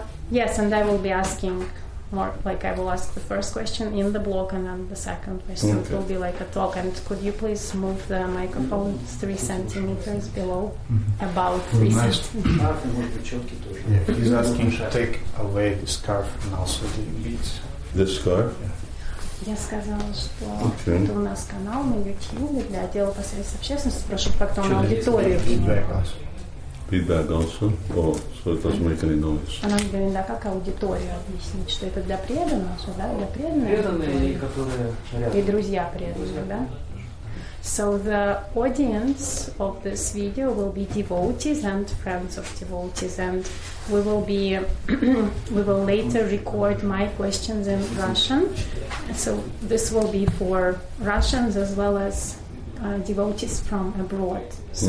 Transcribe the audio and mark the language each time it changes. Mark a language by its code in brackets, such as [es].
[en] Yes, and I will be asking more, like I will ask the first question in the block and then the second question. Okay. It will be like a talk. And could you please move the microphone 3 centimeters below? Mm-hmm. About 3 centimeters. Yeah, he's asking to take away the scarf and also the beads. The scarf? [ru] Я сказала, что это у нас канал на YouTube для отдела по связи с общественностью. Прошу как-то на аудиторию. [en] Feedback also, or so it doesn't make any noise. [ru] Она говорит, да, как аудиторию объяснить, что это для преданных, что да, для преданных. Преданные, которые рядом. И друзья преданные, да. [en] So the audience of this video will be devotees and friends of devotees, and we will be we will later record my questions in Russian. So this will be for Russians as well as devotees from abroad. So